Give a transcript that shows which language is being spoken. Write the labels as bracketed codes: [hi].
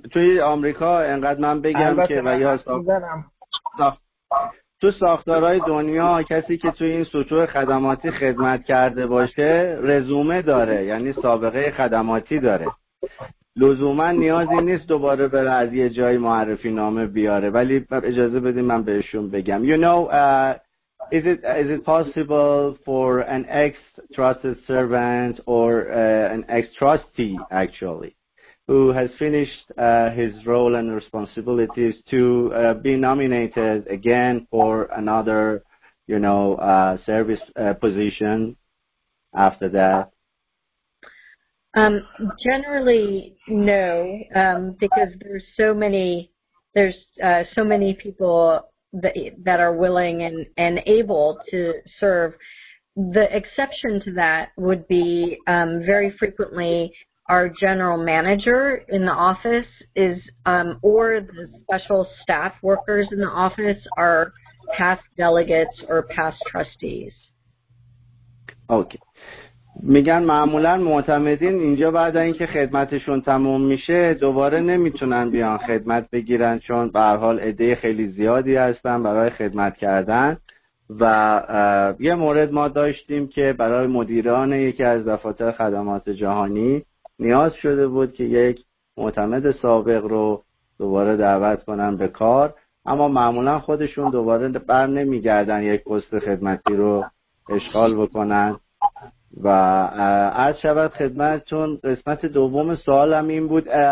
[fa] توی آمریکا انقدر من بگم که و یا تو ساختارهای دنیا کسی که توی این سطوح خدماتی خدمت کرده باشه رزومه داره، یعنی سابقه خدماتی داره، لزوماً نیازی نیست دوباره بره از یه جای معرفی نامه بیاره. ولی اجازه بدیم من بهشون بگم. [en] You know, is it possible for an ex-trusted servant or an ex-trustee actually who has finished his role and responsibilities to be nominated again for another, you know, service position after that? Generally, no, because there's so many people that are willing and able to serve. The exception to that would be very frequently our general manager in the office is, or the special staff workers in the office are past delegates or past trustees. Okay. [fa] میگن معمولا معتمدین اینجا بعد اینکه خدمتشون تموم میشه دوباره نمیتونن بیان خدمت بگیرن چون به هر حال عده خیلی زیادی هستن برای خدمت کردن و یه مورد ما داشتیم که برای مدیران یکی از دفاتر خدمات جهانی نیاز شده بود که یک معتمد سابق رو دوباره دعوت کنن به کار اما معمولا خودشون دوباره بر نمیگردن یک پست خدمتی رو اشغال بکنن و عرض شود خدمتتون قسمت دوم سوالم این بود